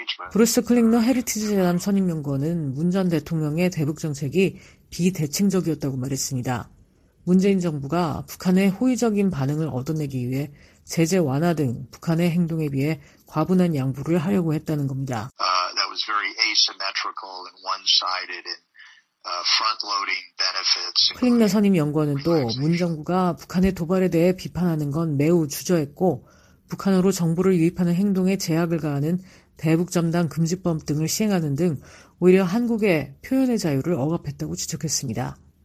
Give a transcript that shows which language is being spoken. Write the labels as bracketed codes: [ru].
[ko] 브루스 클링너 헤리티지 재단 선임연구원은 문 전 대통령의 대북 정책이 비대칭적이었다고 말했습니다. 문재인 정부가 북한의 호의적인 반응을 얻어내기 위해 제재 완화 등 북한의 행동에 비해 과분한 양보를 하려고 했다는 겁니다. [en] That was very asymmetrical and one-sided and front-loading benefits. [ko] 클링너 선임연구원은 또 문 정부가 북한의 도발에 대해 비판하는 건 매우 주저했고 북한으로 정보를 유입하는 행동에 제약을 가하는 대북전단 금지법 등을 시행하는 등 오히려 한국의 표현의 자유를 억압했다고 지적했습니다.